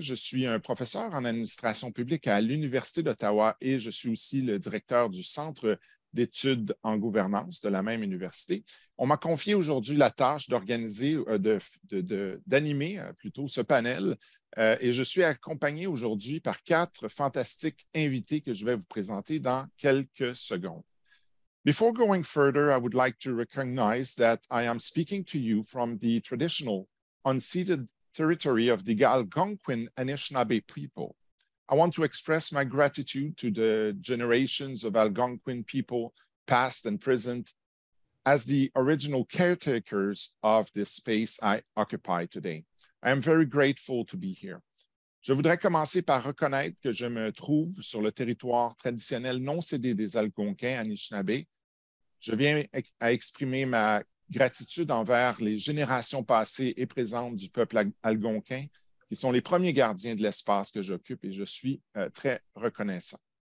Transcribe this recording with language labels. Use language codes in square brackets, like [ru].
[fr] Je suis un professeur en administration publique à l'Université d'Ottawa et je suis aussi le directeur du Centre d'études en gouvernance de la même université. On m'a confié aujourd'hui la tâche d'organiser, d'animer plutôt ce panel et je suis accompagné aujourd'hui par quatre fantastiques invités que je vais vous présenter dans quelques secondes. [en] Before going further, I would like to recognize that I am speaking to you from the traditional unceded territory of the Algonquin Anishinaabe people. I want to express my gratitude to the generations of Algonquin people, past and present, as the original caretakers of this space I occupy today. I am very grateful to be here. [fr] Je voudrais commencer par reconnaître que je me trouve sur le territoire traditionnel non cédé des Algonquins Anishinaabe. Je viens à exprimer ma gratitude envers les générations passées et présentes du peuple algonquin, qui sont les premiers gardiens de l'espace que j'occupe et je suis très reconnaissant.